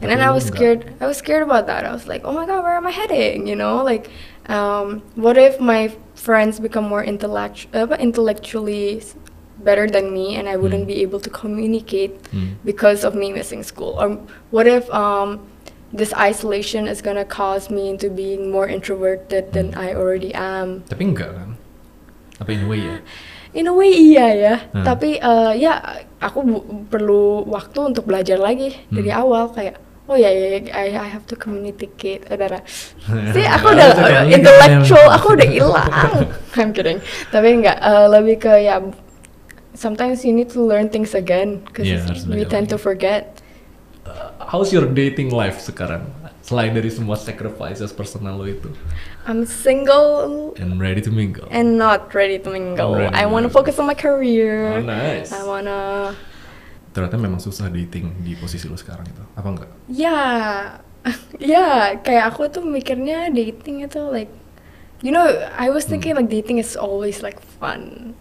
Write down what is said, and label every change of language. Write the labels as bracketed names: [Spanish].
[English] and then I was scared about that. I was like oh my god, where am I heading, you know, like what if my friends become more intellectually better than me and I wouldn't be able to communicate because of me missing school, or what if this isolation is gonna cause me into being more introverted than I already am. [Indonesian] Tapi enggak kan, tapi [English] in a way [Indonesian] ya. [English] In a way [Indonesian] iya ya, tapi ya aku perlu waktu untuk belajar lagi dari awal kayak oh ya ya [English] I have to communicate. [Indonesian] Sih aku udah intellectual, aku udah hilang. [English] I'm kidding. [Indonesian] Tapi enggak, lebih ke ya [English] sometimes you need to learn things again because we tend to forget. How's your dating life [Indonesian] sekarang? Selain dari semua [English] sacrifices personal [Indonesian] lo itu. [English] I'm single and ready to mingle. And not ready to mingle. I want to focus on my career. Oh nice. I wanna. [Indonesian] Ternyata memang susah dating di posisi lo sekarang itu. Apa enggak? [English] Yeah, [Indonesian] kayak aku tuh mikirnya [English] dating itu like you know, I was thinking like dating is always like fun.